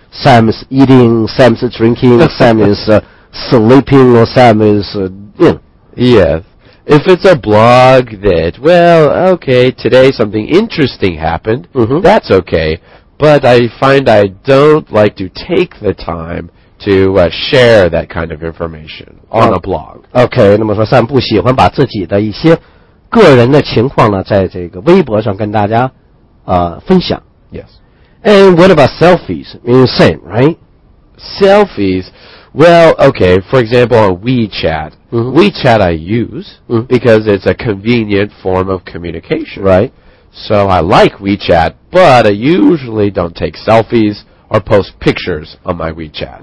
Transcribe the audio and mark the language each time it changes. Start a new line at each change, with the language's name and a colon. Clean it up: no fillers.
English: Sam is eating, Sam is drinking, Sam is sleeping, or Sam is, you know. Yes. If it's a blog that, well, okay, today something interesting happened,、 mm-hmm. that's okay. But I find I don't like to take the time to share that kind of information on a blog.
Chinese: Okay, 那么说 Sam 不喜欢把自己的一些个人的情况呢在这个微博上跟大家、分享。
English: Yes. And what about selfies? I mean, same, right? selfies. Well, okay, for example, on WeChat. Mm-hmm. WeChat I use because it's a convenient form of communication. Right. So I like WeChat, but I usually don't take selfies or post pictures on my WeChat.